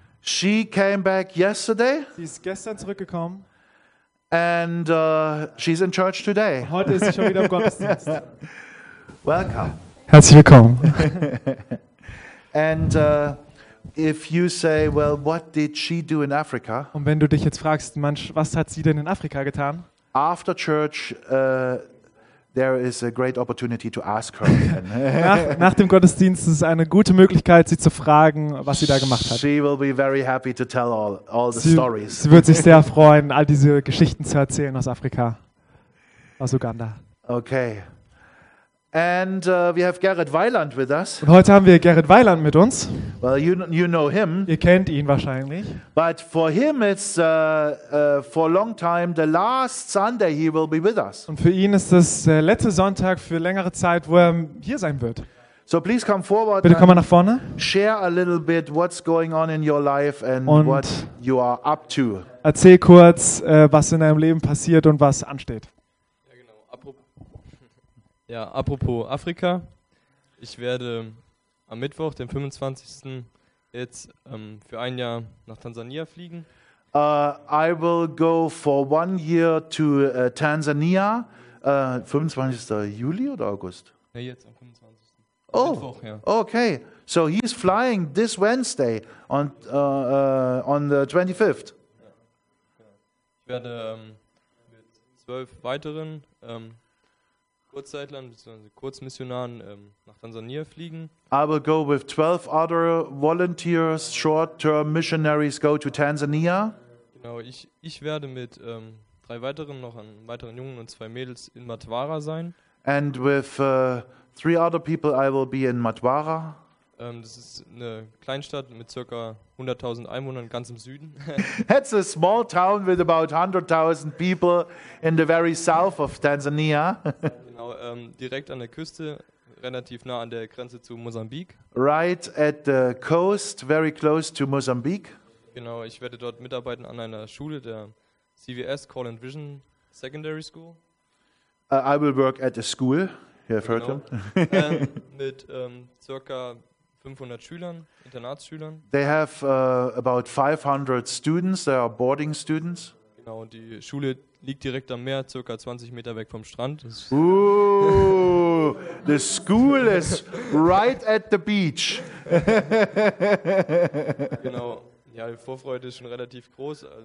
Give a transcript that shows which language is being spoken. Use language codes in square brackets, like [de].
[en] She came back yesterday. [de] Sie ist gestern zurückgekommen. [en] And she's in church today. [de] Heute ist sie schon wieder im Gottesdienst. [en] Welcome. [de] Herzlich willkommen. [en] And if you say, well, what did she do in Africa? [de] Und wenn du dich jetzt fragst, Mensch, was hat sie denn in Afrika getan? [en] After church, there is a great opportunity to ask her. [de] Nach dem Gottesdienst ist eine gute Möglichkeit, sie zu fragen, was sie da gemacht hat. [en] She will be very happy to tell all the stories. [de] Sie wird sich sehr freuen, all diese Geschichten zu erzählen aus Afrika, aus Uganda. [en] Okay. And we have Gerrit Weiland with us. [de] Und heute haben wir Gerrit Weiland mit uns. [en] Well, you know him. [de] Ihr kennt ihn wahrscheinlich. [en] But for him it's for a long time the last Sunday he will be with us. [de] Und für ihn ist das letzte Sonntag für längere Zeit, wo er hier sein wird. [en] So please come forward. [de] Bitte komm mal nach vorne. [en] Share a little bit what's going on in your life and [de] und [en] what you are up to. [de] Erzähl kurz, was in deinem Leben passiert und was ansteht. Ja, apropos Afrika, ich werde am Mittwoch, den 25. jetzt für 1 Jahr nach Tansania fliegen. [en] I will go for 1 year to Tansania, [de] 25. Juli oder August? Ja, jetzt am 25. Oh, Mittwoch, ja. [en] Okay, so he's flying this Wednesday on the 25th. [de] Ich werde mit 12 weiteren Kurzzeitlern bzw. Kurzmissionaren nach Tansania fliegen. [en] I will go with 12 other volunteers, short-term missionaries, go to Tansania. [de] Genau, ich werde mit 3 weiteren noch an weiteren Jungen und 2 Mädels in Mtwara sein. [en] And with 3 other people, I will be in Mtwara. [de] Das ist eine Kleinstadt mit ca. 100.000 Einwohnern ganz im Süden. [en] That's a small town with about 100.000 people in the very south of Tanzania. [de] Direkt an der Küste, relativ nah an der Grenze zu Mosambik. [en] Right at the coast, very close to Mozambique. [de] Genau, ich werde dort mitarbeiten an einer Schule, der CVS, Call and Vision Secondary School. [en] I will work at a school, you have heard him. [de] Mit ca. 500 Schülern, Internatsschülern. [en] They have about 500 students, they are boarding students. [de] Genau, und die Schule liegt direkt am Meer, ca. 20 Meter weg vom Strand. [en] Ooh, the school is right at the beach. [de] Genau, ja, die Vorfreude ist schon relativ groß.